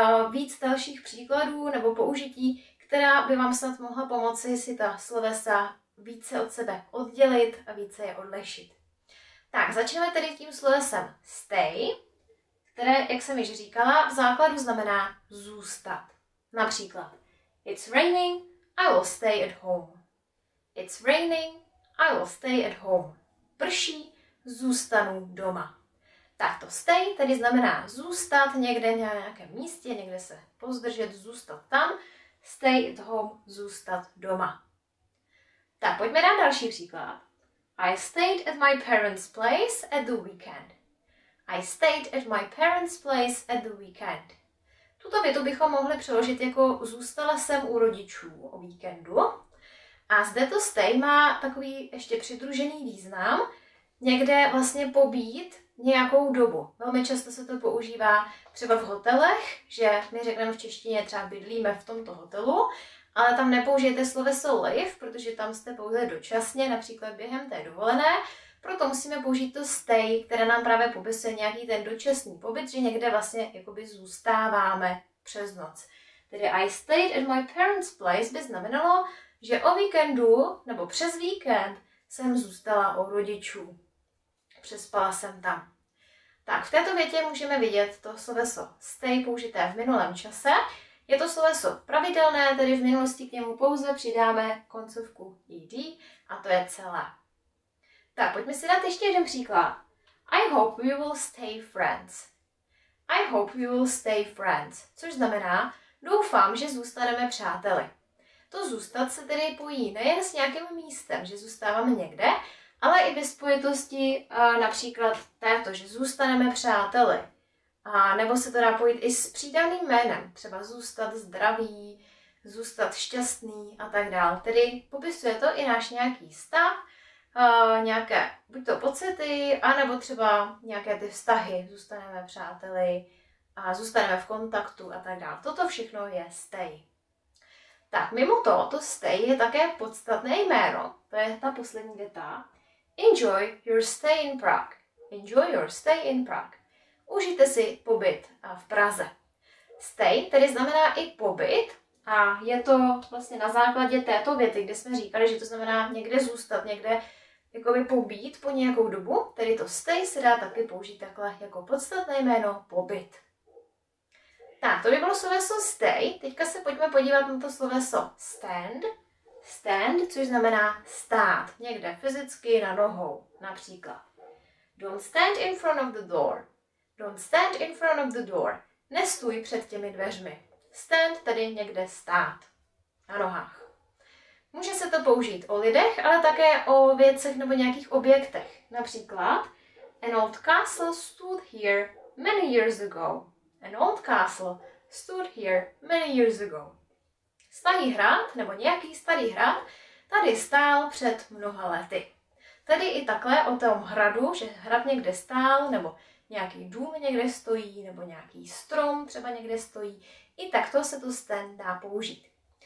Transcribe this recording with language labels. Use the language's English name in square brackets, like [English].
[Czech] Víc dalších příkladů nebo použití, která by vám snad mohla pomoci si ta slovesa více od sebe oddělit a více je odlišit. Tak, začneme tedy tím slovesem stay, které, jak jsem již říkala, v základu znamená zůstat. [English] Například, it's raining, I will stay at home. It's raining, I will stay at home. [Czech] Prší, zůstanu doma. Tak to stay tedy znamená zůstat někde na nějakém místě, někde se pozdržet, zůstat tam. [English] Stay at home, [Czech] zůstat doma. Tak pojďme dát další příklad. [English] I stayed at my parents' place at the weekend. I stayed at my parents' place at the weekend. [Czech] Tuto větu bychom mohli přeložit jako zůstala jsem u rodičů o víkendu. A zde to stay má takový ještě přidružený význam, někde vlastně pobýt nějakou dobu. Velmi často se to používá třeba v hotelech, že my řekneme v češtině třeba bydlíme v tomto hotelu, ale tam nepoužijete sloveso live, protože tam jste pouze dočasně, například během té dovolené, proto musíme použít to stay, které nám právě popisuje nějaký ten dočasný pobyt, že někde vlastně jakoby zůstáváme přes noc. Tedy [English] I stayed at my parents' place [Czech] by znamenalo, že o víkendu nebo přes víkend jsem zůstala u rodičů. Přespala jsem tam. Tak v této větě můžeme vidět to sloveso stay použité v minulém čase. Je to sloveso pravidelné, tedy v minulosti k němu pouze přidáme koncovku ed a to je celé. Tak pojďme si dát ještě jeden příklad. [English] I hope we will stay friends. I hope we will stay friends, [Czech] což znamená doufám, že zůstaneme přáteli. To zůstat se tedy pojí nejen s nějakým místem, že zůstáváme někde, ale i ve spojitosti například této, že zůstaneme přáteli. A nebo se to dá pojít i s přídavným jménem, třeba zůstat zdravý, zůstat šťastný a tak dál. Tedy popisuje to i náš nějaký stav, nějaké buď to pocity, anebo třeba nějaké ty vztahy, zůstaneme přáteli a zůstaneme v kontaktu a tak dál. Toto všechno je stay. Tak mimo to, to stay je také podstatné jméno, to je ta poslední věta. [English] Enjoy your stay in Prague. Enjoy your stay in Prague. [Czech] Užijte si pobyt v Praze. Stay tedy znamená i pobyt a je to vlastně na základě této věty, kde jsme říkali, že to znamená někde zůstat, někde jakoby pobýt po nějakou dobu. Tedy to stay se dá taky použít takhle jako podstatné jméno pobyt. Tak, to by bylo sloveso stay. Teďka se pojďme podívat na to sloveso stand. Stand, což znamená stát někde fyzicky na nohou, například. [English] Don't stand in front of the door. Don't stand in front of the door. [Czech] Nestůj před těmi dveřmi. Stand tedy někde stát na nohách. Může se to použít o lidech, ale také o věcech nebo nějakých objektech. [English] Například, an old castle stood here many years ago. An old castle stood here many years ago. [Czech] Starý hrad, nebo nějaký starý hrad, tady stál před mnoha lety. Tedy i takhle o tom hradu, že hrad někde stál, nebo nějaký dům někde stojí, nebo nějaký strom třeba někde stojí, i takto se to stand dá použít.